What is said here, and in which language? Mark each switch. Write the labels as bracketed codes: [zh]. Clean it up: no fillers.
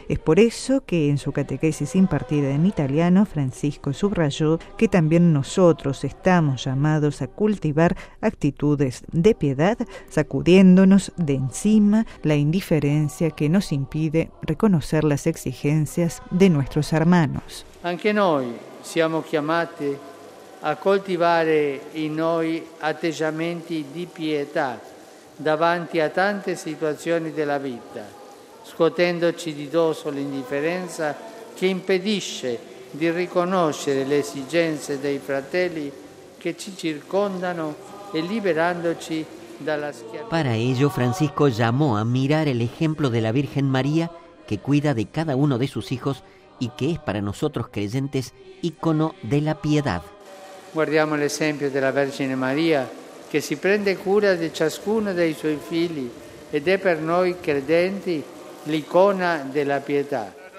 [es] Es por eso que en su catequesis impartida en italiano, Francisco subrayó que también nosotros estamos llamados a cultivar actitudes de piedad, sacudiéndonos de encima la indiferencia que nos impide reconocer las exigencias de nuestros hermanos. [it] Anche noi siamo chiamati a coltivare in noi atteggiamenti di pietà davanti a tante situazioni della vita, scuotendoci di dosso l'indifferenza che impedisce di riconoscere le esigenze dei fratelli che ci circondano e liberandoci dalla schiavitù. [es] Para ello Francisco llamó a mirar el ejemplo de la Virgen María que cuida de cada uno de sus hijos y que es para nosotros creyentes icono de la piedad. [it] Guardiamo l'esempio della Vergine Maria che si prende cura di ciascuno dei suoi figli ed è per noi credenti l'icona della pietà.